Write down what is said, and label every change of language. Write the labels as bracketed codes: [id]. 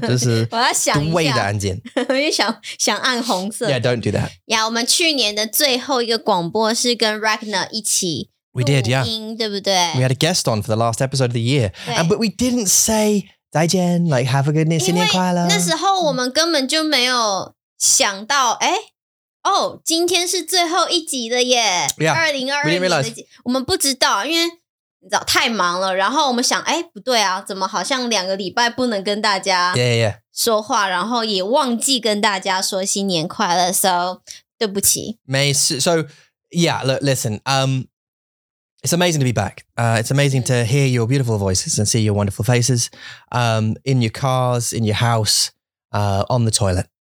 [zh] 就是我要想一下。Dwaya的按键。我也想按红色。 [en] Yeah, don't do that. [zh] Yeah, 我们去年的最后一个广播是跟 Ragnar一起 [en] We did, yeah. [zh] 录音,对不对? [en] We had a guest on for the last episode of the year. And, but we didn't say, 再见, like, have a good year, [zh] 新年快乐。那时候我们根本就没有想到, 诶, 哦, 今天是最后一集的耶。 [en] Yeah, 2022 we didn't realize. [zh] 我们不知道, 因为 太忙了,然后我们想,诶,不对啊,怎么好像两个礼拜不能跟大家说话, [en] yeah, yeah. [zh] 然后也忘记跟大家说新年快乐, so, 对不起。 [en] So, yeah, look, listen, it's amazing to be back. It's amazing to hear your beautiful voices and see your wonderful faces, in your cars, in your house, on the toilet.